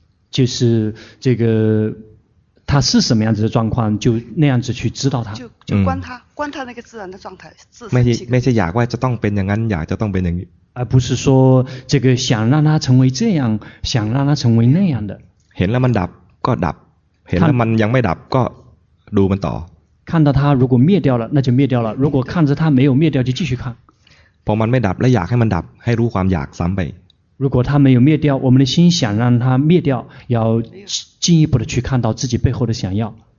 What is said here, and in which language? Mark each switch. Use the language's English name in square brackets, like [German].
[Chinese] 就是这个它是什么样子的状况就那样子去知道它就观它那个自然的状态自然 [Thai] ไม่ใช่อยากว่าจะต้องเป็นอย่างนั้นอยากจะต้องเป็นอย่างนี้ [Chinese] 而不是说这个想让它成为这样，想让它成为那样的。 [Thai] เห็นแล้วมันดับก็ดับเห็นแล้วมันยังไม่ดับก็ดูมันต่อ [Chinese] 看到它如果灭掉了那就灭掉了，如果看着它没有灭掉就继续看。 [Thai] พอมันไม่ดับและอยากให้มันดับให้รู้ความอยากซ้ำไป [Chinese] 如果它没有灭掉，我们的心想让它灭掉，要进一步的去看到自己背后的想要。